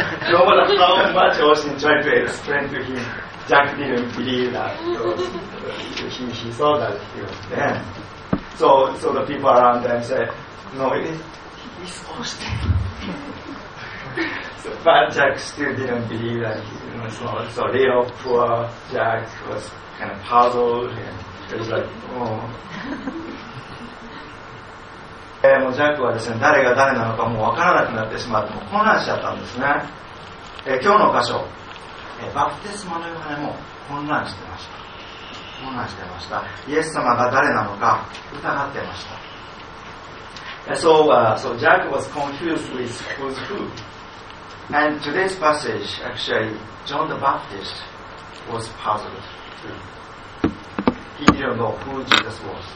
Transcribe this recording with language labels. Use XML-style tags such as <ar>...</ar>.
<en>No matter how much Austin tried to explain to him, Jack didn't believe that. He saw that he was Ben. So the people around them said, No, he's Austin. But Jack still didn't believe that he was not. So little poor Jack was kind of puzzled. And,</en> <ja>もうジャックはですね、誰が誰なのかもう分からなくなってしまって、もう混乱しちゃったんですね。今日の箇所、バプテスマのヨハネも混乱してました。混乱してました。イエス様が誰なのか疑ってました。</ja> <en>So Jack was confused with who's who. And today's passage, actually John the Baptist was puzzled tooHe didn't know who Jesus was.</en>